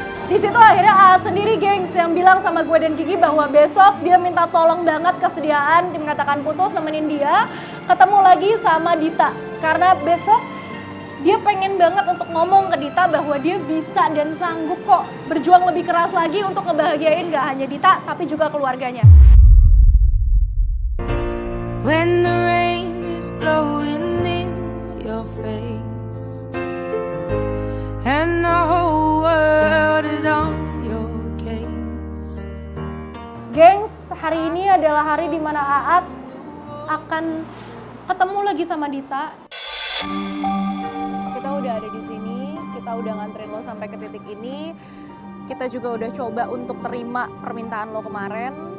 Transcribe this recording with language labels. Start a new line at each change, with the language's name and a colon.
Indonesian: Di situ akhirnya Aat sendiri, gengs, yang bilang sama gue dan Kiki bahwa besok dia minta tolong banget kesediaan, dia mengatakan putus, nemenin dia, ketemu lagi sama Dita. Karena besok dia pengen banget untuk ngomong ke Dita bahwa dia bisa dan sanggup kok berjuang lebih keras lagi untuk ngebahagiain gak hanya Dita, tapi juga keluarganya.
English: When the rain is blowing in your face and the whole world is on your case.
Indonesian: Gengs, hari ini adalah hari dimana Aat akan ketemu lagi sama Dita. Kita udah ada di sini, kita udah nganterin lo sampai ke titik ini. Kita juga udah coba untuk terima permintaan lo kemarin.